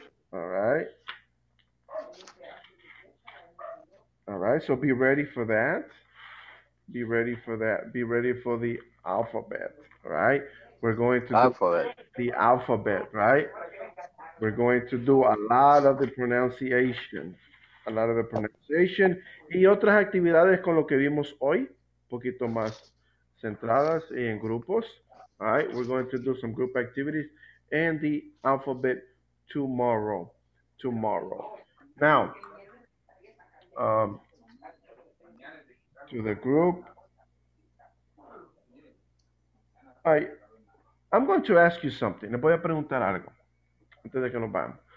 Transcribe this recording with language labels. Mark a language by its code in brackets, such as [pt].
[en] All right, so be ready for that. Be ready for that. Be ready for the alphabet, right? We're going to alphabet. The alphabet, right? We're going to do a lot of the pronunciation. A lot of the pronunciation. [es] Y otras actividades con lo que vimos hoy, poquito más centradas y en grupos. [en] All right, we're going to do some group activities and the alphabet tomorrow. Now, to the group, I'm going to ask you something. [es] Le voy a preguntar algo antes de que nos vayamos.